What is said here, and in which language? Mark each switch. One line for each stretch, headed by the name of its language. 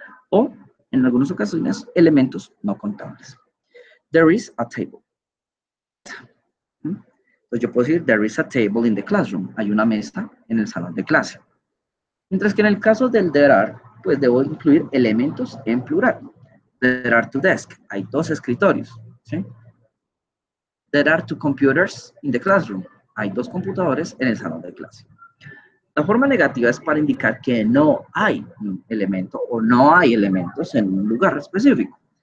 Spanish: O, en algunas ocasiones, elementos no contables.
English: There is a table.
Spanish: Entonces yo puedo decir,
English: there is a table in the classroom.
Spanish: Hay una mesa en el salón de clase. Mientras que en el caso del there are, pues debo incluir elementos en plural.
English: There are two desks.
Spanish: Hay dos escritorios. ¿Sí?
English: There are two computers in the classroom.
Spanish: Hay dos computadores en el salón de clase. La forma negativa es para indicar que no hay un elemento o no hay elementos en un lugar específico.